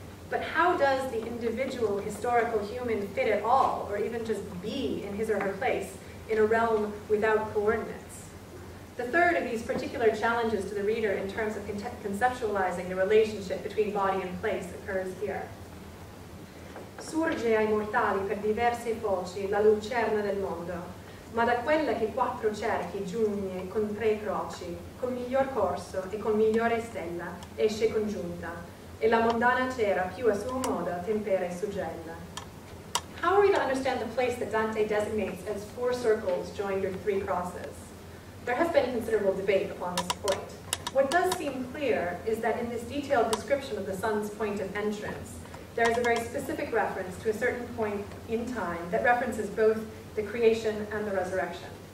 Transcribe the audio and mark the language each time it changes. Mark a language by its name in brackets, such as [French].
[English] But how does the individual historical human fit at all, or even just be in his or her place, in a realm without coordinates? The third of these particular challenges to the reader in terms of conceptualizing the relationship between body and place occurs here. [Italian] Surge ai mortali per diverse foci la lucerna del mondo, ma da quella che quattro cerchi giugne con tre croci, con miglior corso e con migliore stella, esce congiunta, e la mondana cera più a suo modo tempera e suggella. [English] How are we to understand the place that Dante designates as four circles joined with three crosses? There has been considerable debate upon this point. What does seem clear is that in this detailed description of the sun's point of entrance, there is a very specific reference to a certain point in time that references both the creation and the resurrection.